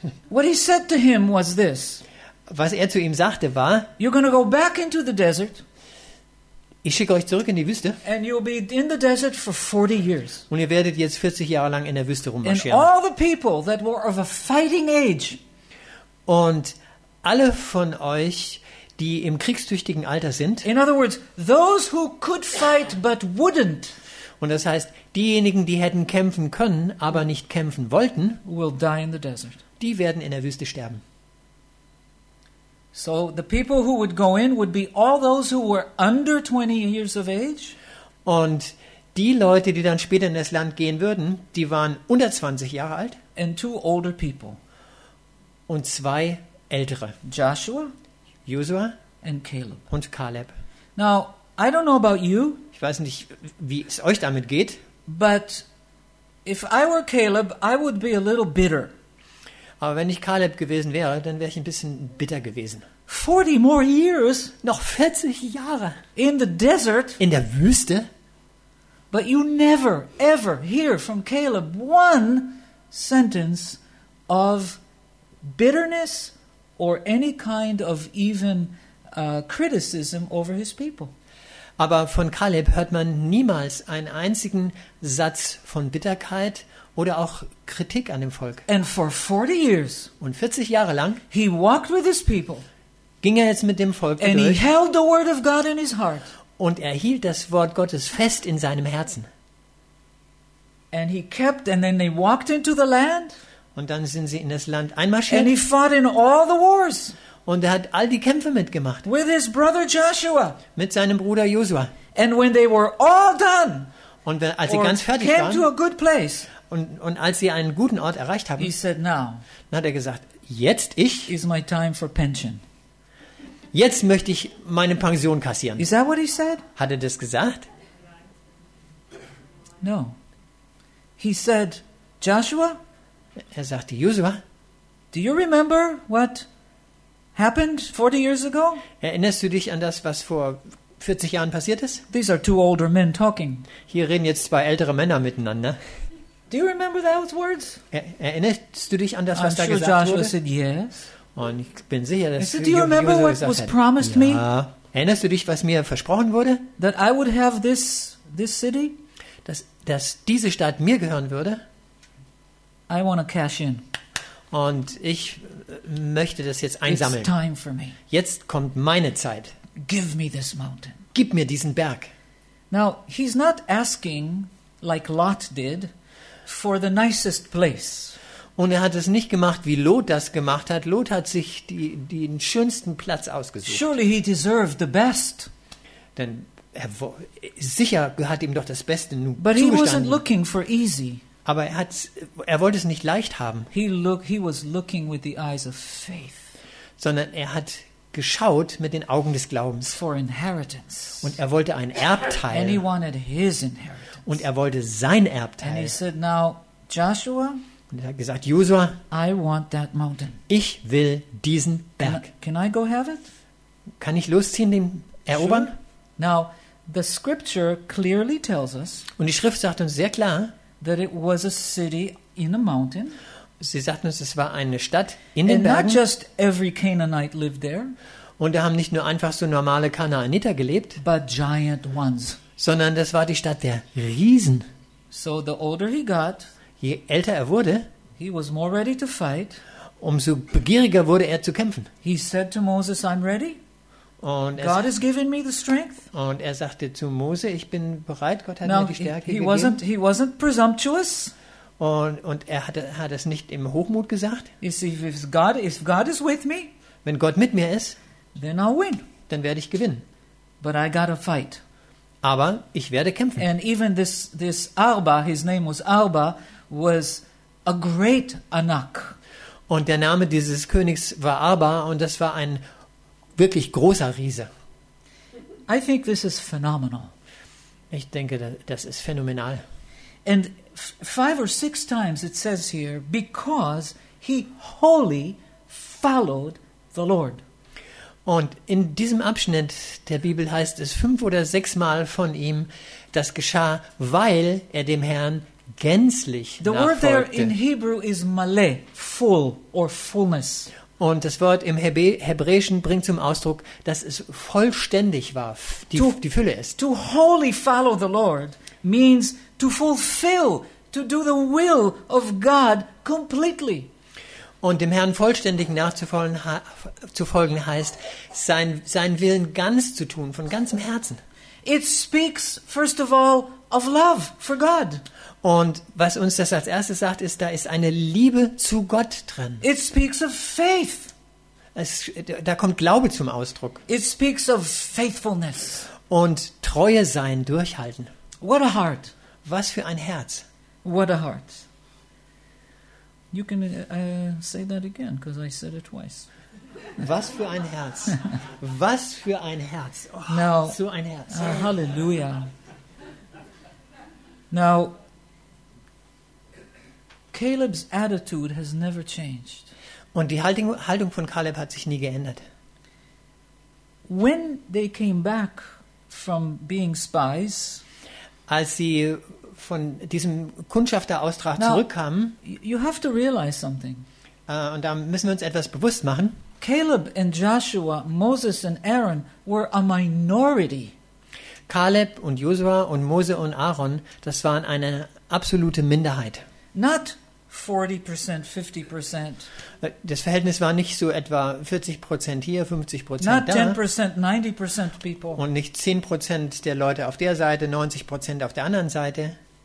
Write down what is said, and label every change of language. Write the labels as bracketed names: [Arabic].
[English] What he said to him was this. [German] Was er zu ihm sagte war, [English] you're going to go back into the desert. [German] Ich schicke euch zurück in die Wüste. [English] And you'll be in the desert for 40 years. [German] Und ihr werdet jetzt 40 Jahre lang in der Wüste rummarschieren. [English] And all the people that were of a fighting age. [German] Und alle von euch, die im kriegstüchtigen Alter sind. [English] In other words, those who could fight but wouldn't. [German] Und das heißt, diejenigen, die hätten kämpfen können, aber nicht kämpfen wollten, [English] will die in the desert. [German] Die werden in der Wüste sterben. [English] So the people who would go in would be all those who were under 20 years of age. [German] Und die Leute, die dann später in das Land gehen würden, die waren unter 20 Jahre alt. [English] And two older people. [German] Und zwei ältere. [English] Joshua and Caleb. [German] Und Caleb. [English] Now, I don't know about you. [German] Ich weiß nicht, wie es euch damit geht. [English] But if I were Caleb, I would be a little bitter. [German] Aber wenn ich Caleb gewesen wäre, dann wäre ich ein bisschen bitter gewesen. [English] 40 more years, [German] noch 40 Jahre [English] in the desert, [German] in der Wüste. [English] But you never ever hear from Caleb one sentence of bitterness or any kind of even criticism over his people. [German] Aber von Caleb hört man niemals einen einzigen Satz von Bitterkeit oder auch Kritik an dem Volk. [English] And for 40 years, [German] und 40 Jahre lang, [English] he walked with his people, [German] ging er jetzt mit dem Volk [English] and [German] durch, [English] he held the word of God in his heart, [German] und er hielt das Wort Gottes fest in seinem Herzen. [English] And he kept, and then they walked into the land, [German] und dann sind sie in das Land einmarschiert, [English] and he fought in all the wars, [German] und er hat all die Kämpfe mitgemacht, [English] with his brother Joshua, [German] mit seinem Bruder Joshua. [English] And when they were all done, [German] und wenn, als sie ganz fertig [English] came [German] waren, [English] to a good place, [German] und als sie einen guten Ort erreicht haben, [English] he said, now, [German] dann hat er gesagt, jetzt ich, [English] is my time for pension. [German] Jetzt möchte ich meine Pension kassieren. [English] Is that what he said? [German] Hat er das gesagt? [English] No. He said, Joshua, [German] er sagte, Joshua, [English] do you remember what happened 40 years ago? [German] Erinnerst du dich an das, was vor 40 Jahren passiert ist? [English] These are two older men talking. [German] Hier reden jetzt zwei ältere Männer miteinander. [English] Do you remember those words? [German] Erinnerst du dich an das, was [English] I'm [German] da [English] sure [German] gesagt [English] Joshua [German] wurde? [English] Said yes. [German] Und ich bin sicher, dass [English] said, do you remember what was promised me? [German] Ja. Erinnerst du dich, was mir versprochen wurde? [English] That I would have this city? [German] Dass diese Stadt mir gehören würde? [English] I want to cash in. [German] Und ich möchte das jetzt einsammeln. [English] It's time for me. [German] Jetzt kommt meine Zeit. [English] Give me this mountain. [German] Gib mir diesen Berg. [English] Now, he's not asking like Lot did. For the nicest place. [German] Und er hat es nicht gemacht, wie Lot das gemacht hat. Lot hat sich den schönsten Platz ausgesucht. [English] Surely he deserved the best. [German] Denn sicher hat ihm doch das Beste nur [English] but [German] zugestanden. [English] But he wasn't looking for easy. [German] Aber er wollte es nicht leicht haben. [English] He was looking with the eyes of faith. [German] Sondern er hat geschaut mit den Augen des Glaubens. [English] For inheritance. [German] Und er wollte ein Erbteil. [English] And he wanted his inheritance. [German] Und er wollte sein Erbteil. [English] And he said, now, Joshua, [German] und er hat gesagt, Joshua, [English] I want that mountain. [German] Ich will diesen Berg. [English] Can I go have it? [German] Kann ich losziehen, den erobern? [English] Sure. Now, the scripture clearly tells us, [German] und die Schrift sagt uns sehr klar, [English] that it was a city in a mountain. [German] Sie sagt uns, es war eine Stadt in [English] and [German] den Bergen. [English] Not just every Canaanite lived there, [German] und da haben nicht nur einfach so normale Kanaaniter gelebt, [English] but giant ones. [German] Sondern das war die Stadt der Riesen. [English] So the older he got, [German] je älter er wurde, [English] he was more ready to fight, [German] umso begieriger wurde er zu kämpfen. [English] He said to Moses, I'm ready. [German] Und [English] God has given me the strength. [German] Und er sagte zu Mose, ich bin bereit, Gott hat [English] Now, [German] mir die Stärke gegeben. [English] He wasn't presumptuous. [German] Und er hat es nicht im Hochmut gesagt. [English] If God is with me, [German] wenn Gott mit mir ist, [English] then I'll win. [German] Dann werde ich gewinnen. [English] But I gotta fight. [German] Aber ich werde kämpfen. [English] And even this Arba, his name was Arba, was a great Anak. [German] Und der Name dieses Königs war Arba, und das war ein wirklich großer Riese. [English] I think this is phenomenal. [German] Ich denke, das ist phänomenal. [English] And five or six times it says here, because he wholly followed the Lord. [German] Und in diesem Abschnitt der Bibel heißt es 5 oder 6 Mal von ihm, das geschah, weil er dem Herrn gänzlich nachfolgte. [English] The word there in Hebrew is male, full or fullness. [German] Und das Wort im Hebräischen bringt zum Ausdruck, dass es vollständig war, die Fülle ist. [English] To wholly follow the Lord means to fulfill, to do the will of God completely. [German] Und dem Herrn vollständig nachzufolgen heißt, seinen Willen ganz zu tun, von ganzem Herzen. [English] It speaks first of all of love for God. [German] Und was uns das als erstes sagt, ist, da ist eine Liebe zu Gott drin. [English] It speaks of faith. [German] Da kommt Glaube zum Ausdruck. [English] It speaks of faithfulness. [German] Und Treue sein, durchhalten. [English] What a heart. [German] Was für ein Herz. [English] What a heart. You can say that again, because I said it twice. [German] Was für ein Herz. Was für ein Herz. [English] Oh, now, [German] so ein Herz. [English] Hallelujah. Now, Caleb's attitude has never changed. [German] Und die Haltung von Caleb hat sich nie geändert. [English] When they came back from being spies, [German] als sie von diesem Kundschafterauftrag zurückkamen, [English] you have to realize something. [German] Und da müssen wir uns etwas bewusst machen. [English] Caleb and Joshua, Moses and Aaron were a minority. [German] Caleb und Josua und Mose und Aaron, das waren eine absolute Minderheit. [English] Not 40%, 50%. [German] Das Verhältnis war nicht so etwa 40% hier, 50% [English] not [German] da. [English] Not 10%, 90% people. [German] Und nicht 10% der Leute auf der Seite, 90% auf der anderen Seite.